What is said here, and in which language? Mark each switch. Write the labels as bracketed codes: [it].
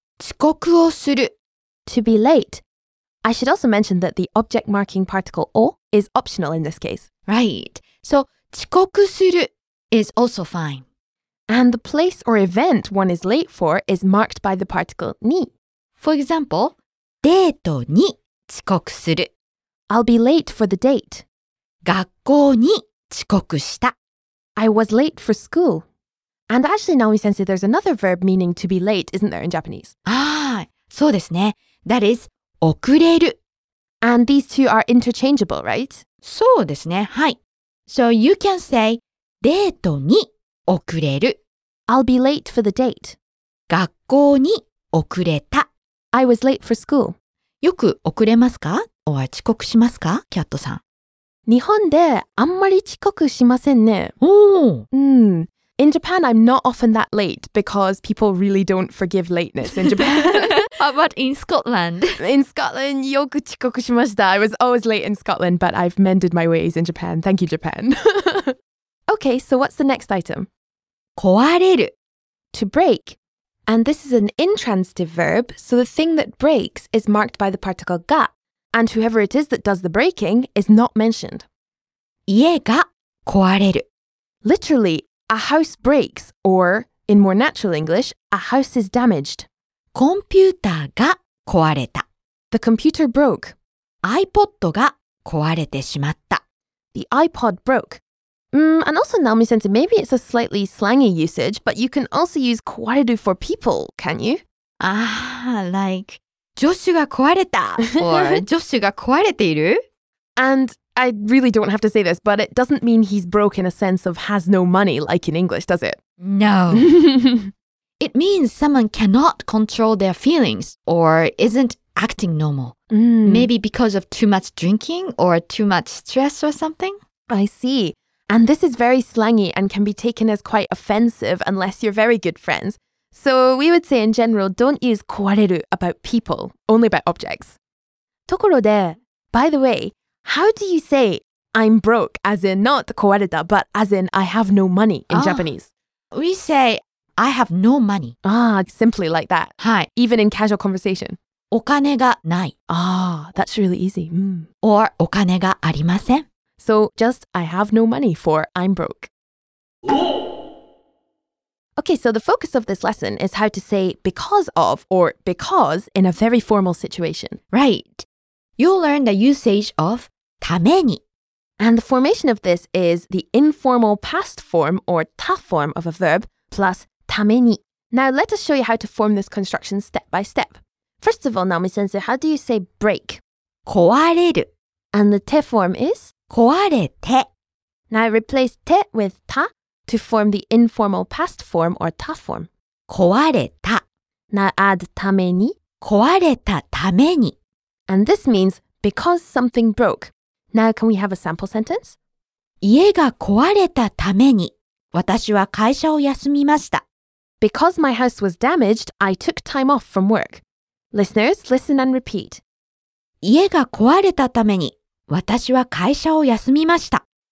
[ja] 遅刻をする。 [en] To be late. I should also mention that the object marking particle を is optional in this case. Right. So 遅刻する。Is also fine. And the place or event one is late for is marked by the particle に. For example, [ja] デートに遅刻する. [en] I'll be late for the date. [ja] 学校に遅刻した. [en] I was late for school. And actually, Naomi-sensei, there's another verb meaning to be late, isn't there, in Japanese? Ah, [ja] そうですね. [en] That is 遅れる. And these two are interchangeable, right? [ja] そうですね.はい. [en] So you can say, [ja] デートに遅れる。 [en] I'll be late for the date. [ja] 学校に遅れた。 [en] I was late for school. [ja] よく遅れますか?おは遅刻しますか?キャットさん。日本であんまり遅刻しませんね。おー。うん。 [en] In Japan, I'm not often that late because people really don't forgive lateness in Japan. but in Scotland? In Scotland, [ja] よく遅刻しました。 [en] I was always late in Scotland, but I've mended my ways in Japan. Thank you, Japan. Okay, so what's the next item? [ja] 壊れる [en] To break. And this is an intransitive verb, so the thing that breaks is marked by the particle が. And whoever it is that does the breaking is not mentioned. [ja] 家が壊れる [en] Literally, a house breaks, or in more natural English, a house is damaged. [ja] コンピューターが壊れた [en] The computer broke. [ja] iPod が壊れてしまった [en] The iPod broke. And also, Naomi-sensei, maybe it's a slightly slangy usage, but you can also use 壊れる for people, can you? [ja] Ah, like, ジョッシュが壊れた or ジョッシュが壊れている [en] And I really don't have to say this, but it doesn't mean he's broke in a sense of has no money, like in English, does it? No. It means someone cannot control their feelings or isn't acting normal. Mm. Maybe because of too much drinking or too much stress or something? I see. And this is very slangy and can be taken as quite offensive unless you're very good friends. So we would say in general, don't use 壊れる about people, only about objects. ところで、by the way, how do you say I'm broke, as in not 壊れた, but as in I have no money in Japanese? We say I have no money. Simply like that. [ja] はい。 [en] Even in casual conversation. [ja] お金がない。 [en] That's really easy. [ja] Or お金がありません。 [en] So just I have no money for I'm broke. Okay, so the focus of this lesson is how to say because of or because in a very formal situation. Right. You'll learn the usage of ために. And the formation of this is the informal past form or た form of a verb plus ために. Now let us show you how to form this construction step by step. First of all, Naomi-sensei, how do you say break? [ja] 壊れる. [en] And the て form is? [ja] 壊れて. [en] Now replace て with たto form the informal past form or た form. [ja] 壊れた. [en] Now add ために. [ja] 壊れたために. [en] And this means because something broke. Now can we have a sample sentence? [ja] 家が壊れたために私は会社を休みました. [en] Because my house was damaged, I took time off from work. Listeners, listen and repeat. [ja] 家が壊れたために私は会社を休みました。